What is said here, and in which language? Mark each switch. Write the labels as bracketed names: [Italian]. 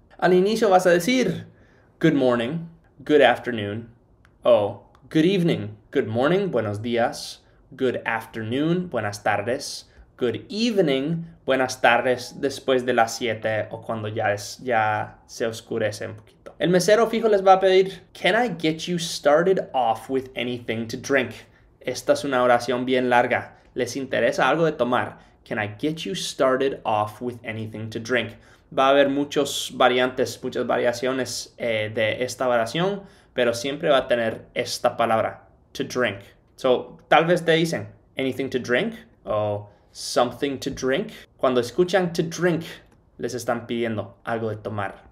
[Spanish] Al inicio vas a decir [English] Good morning, good afternoon, [Spanish] o [English] good evening. Good morning, [Spanish] buenos días. [English] Good afternoon, [Spanish] buenas tardes. [English] Good evening, [Spanish] buenas tardes después de las 7 o cuando ya se oscurece un poquito. El mesero fijo les va a pedir [English] Can I get you started off with anything to drink? [Spanish] Esta es una oración bien larga. ¿Les interesa algo de tomar? [English] Can I get you started off with anything to drink? [Spanish] Va a haber muchas variantes, muchas variaciones de esta oración, pero siempre va a tener esta palabra, [English] to drink. So, [Spanish] tal vez te dicen [English] anything to drink [Spanish] o [English] something to drink. [Spanish] Cuando escuchan [English] to drink, [Spanish] les están pidiendo algo de tomar.